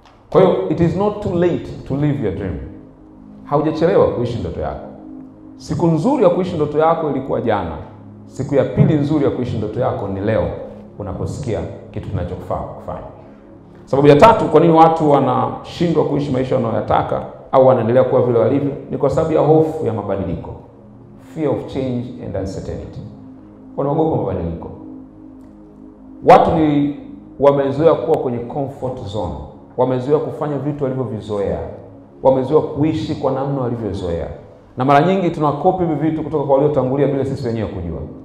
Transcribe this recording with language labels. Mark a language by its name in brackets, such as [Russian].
[Swahili] Kwa hiyo [English] it is not too late to live your dream. [Swahili] Haujachelewa kuishi ndoto yako. Siku nzuri ya kuishi ndoto yako ilikuwa jana. Siku ya pili nzuri ya kuishi ndoto yako ni leo unaposikia kitu kinachokufaa kufanya. Sababu ya tatu, kwa nini watu wanashindwa kuishi maisha wanayotaka au wanaendelea kuwa vile walivyo, ni kwa sababu ya hofu ya mabadiliko. [English] Fear of change and uncertainty. [Swahili] Wanaogopa mabadiliko. Watu ni wamezoea kuwa kwenye comfort zone. Wamezoea kufanya vitu walivyovizoea. Wamezoea kuishi kwa namna walivyozoea. Na mara nyingi tunakopi vitu kutoka kwa waliotangulia bila sisi wenyewe kujua.